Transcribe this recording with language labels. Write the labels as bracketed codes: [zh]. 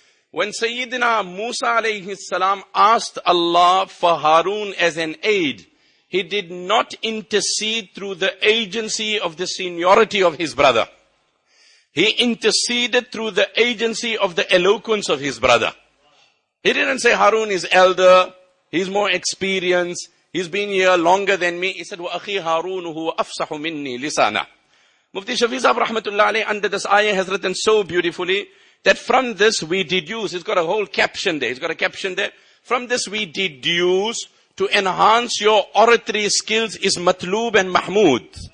[en] When Sayyidina Musa alayhi salam asked Allah for Harun as an aid, he did not intercede through the agency of the seniority of his brother. He interceded through the agency of the eloquence of his brother. He didn't say Harun is elder, he's more experienced, he's been here longer than me. He said, [ar] وَأَخِي هَارُونُهُ أَفْصَحُ مِنِّي لِسَانًا. [en] Mufti Shafi Sahib rahmatullah alayhi, under this ayah has written so beautifully that from this we deduce, he's got a whole caption there, from this we deduce to enhance your oratory skills is matloob and mahmood.